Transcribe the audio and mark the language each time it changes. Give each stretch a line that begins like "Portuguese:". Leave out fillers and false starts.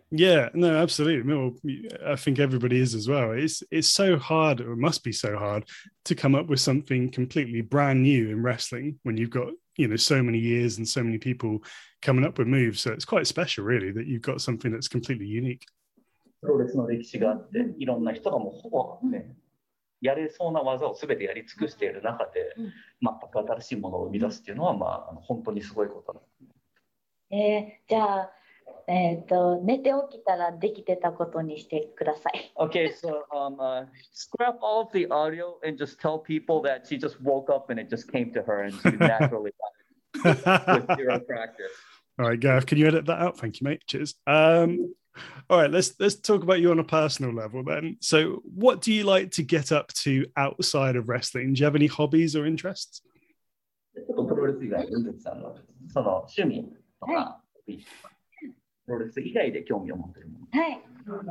English: Yeah, no, absolutely. Well, I think everybody is as well. It's so hard, or it must be so hard, to come up with something completely brand new in wrestling when you've got, you know, so many years and so many people coming up with moves. So it's quite special, really, that you've got something that's completely unique.
Japanese: プロレスの歴史があって、いろんな人がもうほぼね、やれそうな技を全てやり尽くしている中で、全く新しいものを生み出すっていうのは、まあ、本当にすごいことだ。じゃあ、寝て起きたらできてたことにしてください。
English: Okay, so scrap all of the audio and just tell people that she just woke up and it just came to her and she naturally got it with zero practice. All right, Gav, can you edit that out? Thank you, mate. Cheers. All right, let's talk about you on a personal level then. So what do you like to get up to outside of wrestling? Do you have any hobbies or interests?
Japanese: ちょっとプロレス以外、ルンデスさんのその趣味とか、はい、プロレス以外で興味を持っているもの。